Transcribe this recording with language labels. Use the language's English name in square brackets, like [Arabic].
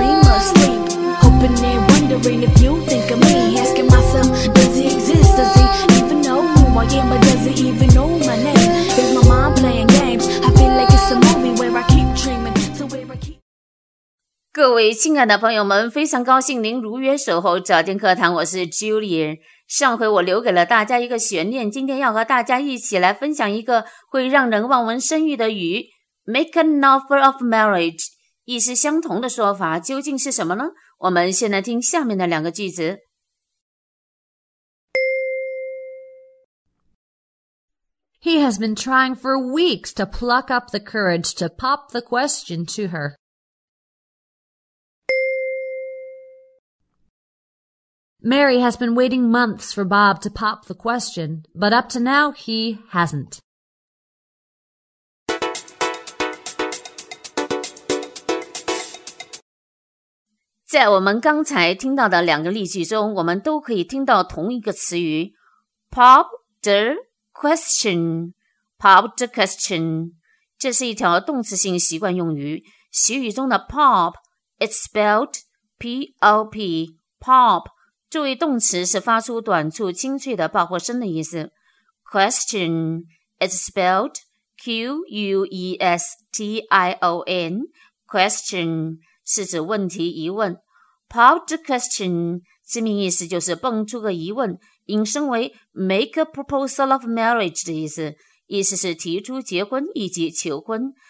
[English] wondering if you think of me. Asking myself, does he exist? Does he even know who I am? Or does he even know my name? Is my mind playing games? I feel like it's a movie where I keep dreaming. So where I keep... [Chinese] 各位亲爱的朋友们，非常高兴您如约守候早间课堂，我是 Julian。上回我留给了大家一个悬念，今天要和大家一起来分享一个会让人望文生义的语 [English] Make an offer of marriage， [Chinese] 意思相同的说法究竟是什么呢？我们先来听下面的两个句子。 [English] He has been trying for weeks to pluck up the courage to pop the question to her. Mary has been waiting months for Bob to pop the question, but up to now, he hasn't. [Chinese] 在我们刚才听到的两个例句中，我们都可以听到同一个词语 [English] pop the question, pop the question. [Chinese] 这是一条动词性习惯用语。习语中的 [English] pop, it's spelled P-O-P, pop. [Chinese] 注意动词是发出短促清脆的爆破声的意思。 [English] Question is spelled Q-U-E-S-T-I-O-N. [Chinese] Question 是指问题疑问。 [English] Pop the question [Chinese] 字面意思就是蹦出个疑问，引申为 [English] make a proposal of marriage [Chinese] 的意思，意思是提出结婚以及求婚。